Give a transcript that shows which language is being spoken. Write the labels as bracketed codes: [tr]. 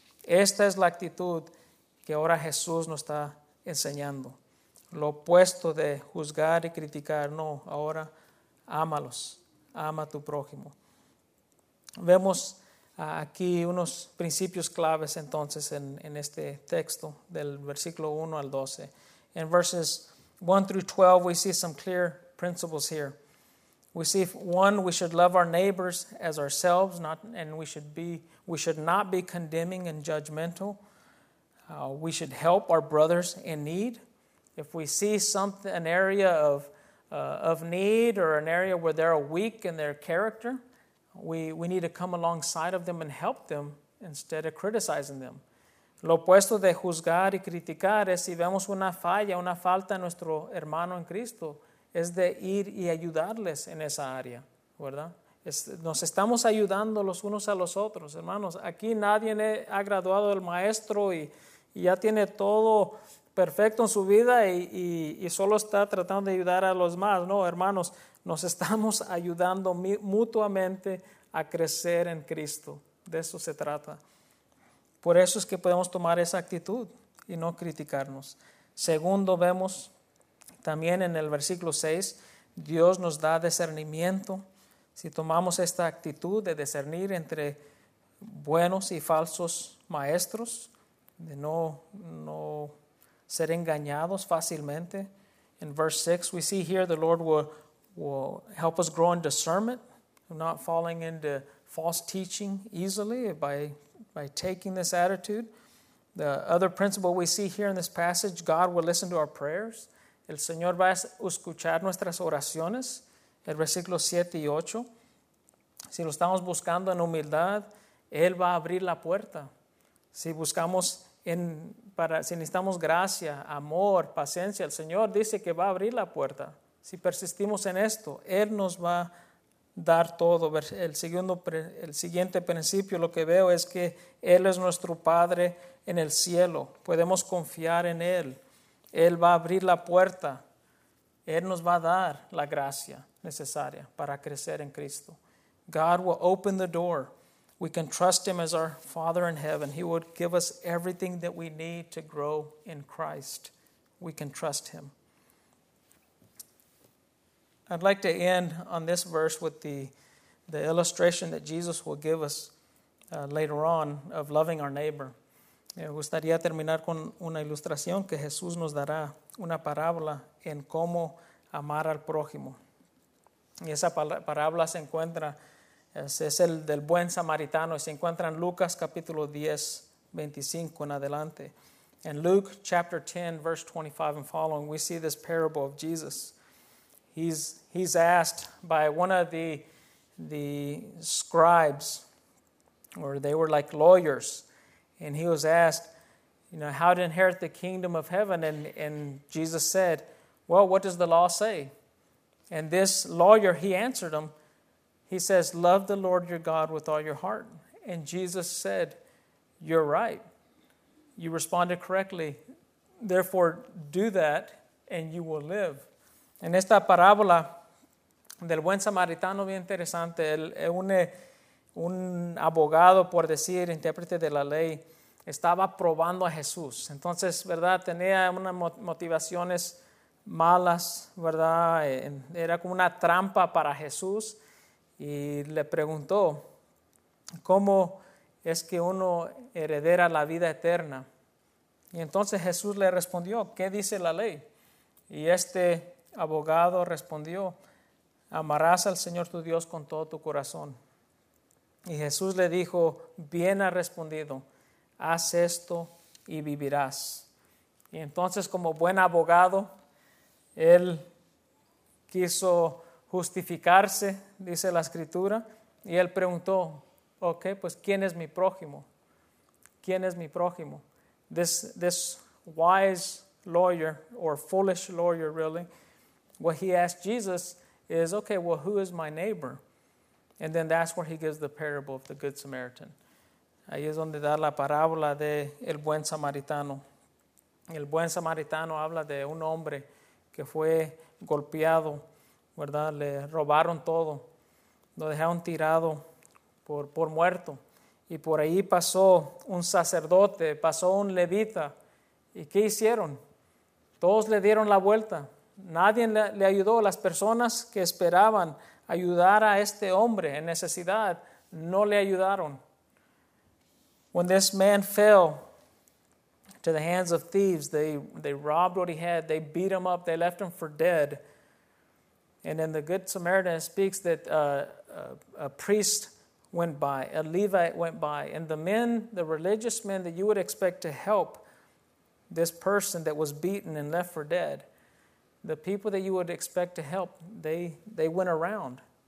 [es] Esta es la actitud que ahora Jesús nos está enseñando. Lo opuesto de juzgar y criticar, no, ahora ámalos, ama a tu prójimo. Vemos aquí unos principios claves entonces en este texto del versículo 1 al 12. [en] In verses 1 through 12, we see some clear principles here. We see, one, we should love our neighbors as ourselves, and we should not be condemning and judgmental. We should help our brothers in need. If we see something, an area of need or an area where they're weak in their character, we need to come alongside of them and help them instead of criticizing them. [es] Lo opuesto de juzgar y criticar es si vemos una falla, una falta en nuestro hermano en Cristo, es de ir y ayudarles en esa área, ¿verdad? Nos estamos ayudando los unos a los otros, hermanos. Aquí nadie ha graduado del maestro y ya tiene todo perfecto en su vida y solo está tratando de ayudar a los más. No, hermanos, nos estamos ayudando mutuamente a crecer en Cristo. De eso se trata. Por eso es que podemos tomar esa actitud y no criticarnos. Segundo, vemos también en el versículo 6, Dios nos da discernimiento. Si tomamos esta actitud de discernir entre buenos y falsos maestros, de no ser engañados fácilmente. [en] In verse 6, we see here the Lord will help us grow in discernment, not falling into false teaching easily by taking this attitude. The other principle we see here in this passage, God will listen to our prayers. [es] El Señor va a escuchar nuestras oraciones. El versículo 7 y 8. Si lo estamos buscando en humildad, Él va a abrir la puerta. Si buscamos si necesitamos gracia, amor, paciencia, el Señor dice que va a abrir la puerta. Si persistimos en esto, Él nos va a dar todo. El siguiente principio, lo que veo es que Él es nuestro Padre en el cielo. Podemos confiar en Él. Él va a abrir la puerta. Él nos va a dar la gracia necesaria para crecer en Cristo. [en] God will open the door. We can trust Him as our Father in heaven. He will give us everything that we need to grow in Christ. We can trust Him. I'd like to end on this verse with the illustration that Jesus will give us later on of loving our neighbor. [es] Me gustaría terminar con una ilustración que Jesús nos dará, una parábola en cómo amar al prójimo. Y esa parábola se encuentra, es el del buen samaritano, y se encuentra en Lucas capítulo 10, 25 en adelante. [en] In Luke chapter 10, verse 25 and following, we see this parable of Jesus. He's asked by one of the scribes, or they were like lawyers, and he was asked, you know, how to inherit the kingdom of heaven. And Jesus said, well, what does the law say? And this lawyer, he answered him. He says, love the Lord your God with all your heart. And Jesus said, you're right. You responded correctly. Therefore, do that and you will live. [es] En esta parábola del buen samaritano, bien interesante, un abogado, por decir, intérprete de la ley, estaba probando a Jesús. Entonces, ¿verdad? Tenía unas motivaciones malas, ¿verdad? Era como una trampa para Jesús. Y le preguntó, ¿cómo es que uno heredera la vida eterna? Y entonces Jesús le respondió, ¿qué dice la ley? Y este abogado respondió, amarás al Señor tu Dios con todo tu corazón. Y Jesús le dijo, bien ha respondido, haz esto y vivirás. Y entonces, como buen abogado, él quiso justificarse, dice la escritura, y él preguntó, ok, pues ¿quién es mi prójimo? ¿Quién es mi prójimo? [en] This wise lawyer, or foolish lawyer really, what he asked Jesus is, okay, well, who is my neighbor? And then that's where he gives the parable of the Good Samaritan. [es] Ahí es donde da la parábola de el buen samaritano. El buen samaritano habla de un hombre que fue golpeado, ¿verdad? Le robaron todo. Lo dejaron tirado por muerto. Y por ahí pasó un sacerdote, pasó un levita. ¿Y qué hicieron? Todos le dieron la vuelta. Nadie le ayudó. Las personas que esperaban ayudar a este hombre en necesidad, no le ayudaron. [en] When this man fell to the hands of thieves, they robbed what he had. They beat him up. They left him for dead. And then the Good Samaritan speaks that a priest went by, a Levite went by. And the men, the religious men that you would expect to help this person that was beaten and left for dead, the people that you would expect to help, they went around.